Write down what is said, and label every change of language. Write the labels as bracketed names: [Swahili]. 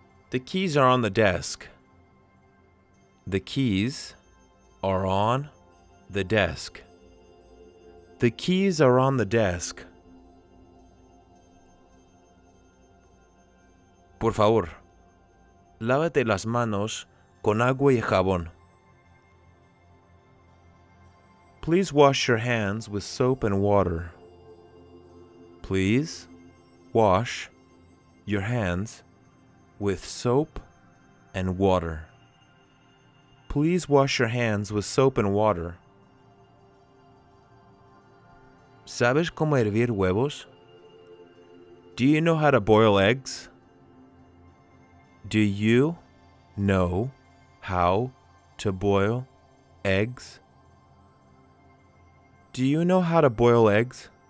[English] The keys are on the desk. The keys are on the desk. The keys are on the desk. [Spanish] Por favor, lávate las manos con agua y jabón. [English] Please wash your hands with soap and water. Please wash your hands with soap and water. Please wash your hands with soap and water. [Spanish] ¿Sabes cómo hervir huevos? [English] Do you know how to boil eggs? Do you know how to boil eggs? Do you know how to boil eggs?